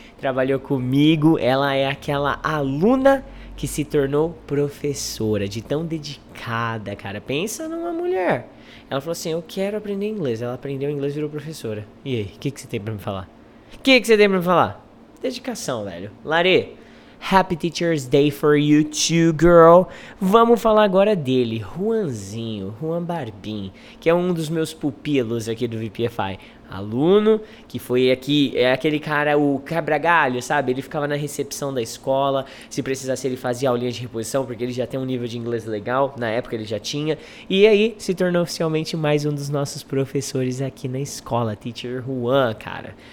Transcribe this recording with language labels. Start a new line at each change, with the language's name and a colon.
Portuguese: Trabalhou comigo, ela é aquela aluna que se tornou professora, de tão dedicada, cara. Pensa numa mulher. Ela falou assim, eu quero aprender inglês. Ela aprendeu inglês e virou professora. E aí, o que você tem pra me falar? Dedicação, velho.
English: Lari, happy Teacher's Day for you too, girl.
Portuguese: Vamos falar agora dele, Juanzinho, Juan Barbim, que é um dos meus pupilos aqui do VPFI. aluno, que foi aqui, é aquele cara, o quebra-galho, sabe? Ele ficava na recepção da escola, se precisasse ele fazia aulinha de reposição, porque ele já tem um nível de inglês legal, na época ele já tinha, e aí se tornou oficialmente mais um dos nossos professores aqui na escola, Teacher Juan, cara.